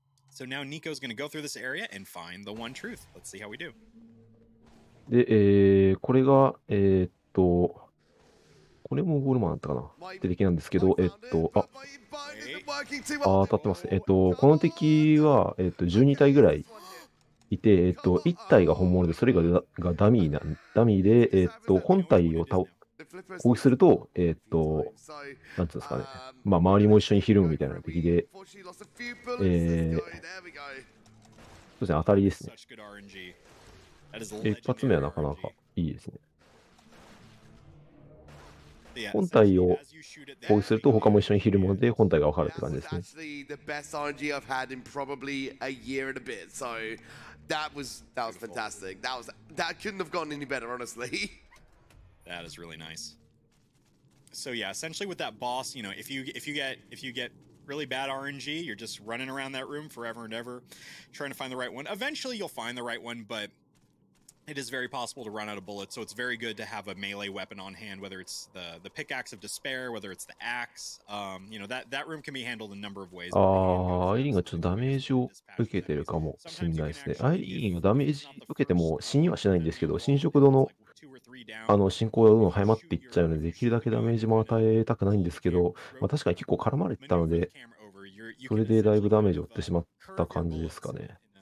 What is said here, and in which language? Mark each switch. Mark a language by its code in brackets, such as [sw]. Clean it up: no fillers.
[en] So now Nico's going to go through this area and find the one truth. Let's see how we do. [ja] で、これが、これもゴールマンだったかなって敵なんですけど、当たってます。この敵は、12体ぐらいいて、1体が本物で、それがダミーな、ダミーで、本体を攻撃すると、なんていうんですかね、まあ、周りも一緒にひるむみたいな敵で、そうですね、当たりですね。一発目はなかなかいいですね。本体を攻撃すると他も一緒にひるむので本体が分かるって感じですね。 [en] The best RNG I've had in probably a year and a bit. So that was fantastic. That couldn't have gotten any better, honestly. That is really nice. So yeah, essentially with that boss, you know, if you get really bad RNG, you're just running around that room forever and ever, trying to find the right one. Eventually you'll find the right one, but It is very possible to run out of bullets, so it's very good to have a melee weapon on hand, whether it's the pickaxe of despair, whether it's the axe. You know, that room can be handled a number of ways. [ja] アイリンがちょっとダメージを受けてるかもしれないですね。アイリンのダメージ受けても死にはしないんですけど、侵食堂のあの進行がどんどん早まっていっちゃうので、できるだけダメージも与えたくないんですけど、まあ確かに結構絡まれてたので、それでだいぶダメージを負ってしまった感じですかね。